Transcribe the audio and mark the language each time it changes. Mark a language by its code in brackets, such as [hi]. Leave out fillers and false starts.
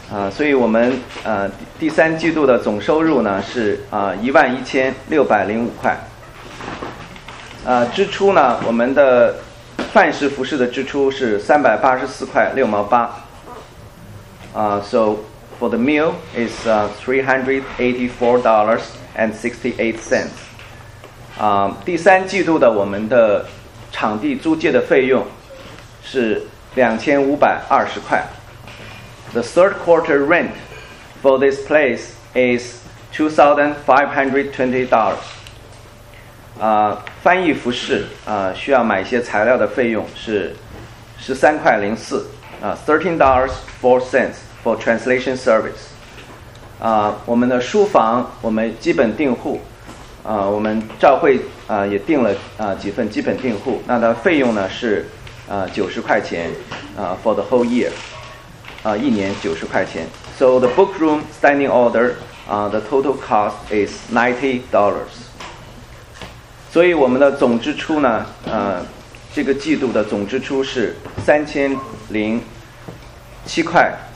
[zh] 所以我们第三季度的总收入呢是11605块，支出呢，我们的饭食服饰的支出是384.68块， [en] So for the meal is $384.68. [zh] 第三季度的我们的场地租借的费用是2520块。 [en] The third quarter rent for this place is $2,520. [zh] 翻译服饰需要买一些材料的费用是13.04块， [en] $13.04 for translation service. [zh] 我们的书房我们基本订户，我们教会也订了几份基本订户，那的费用呢是90块钱， [en] for the whole year. [zh] 一年90块钱。 [en] So the book room standing order, the total cost is $90. [zh] 所以我们的总支出呢，这个季度的总支出是3,007.72块。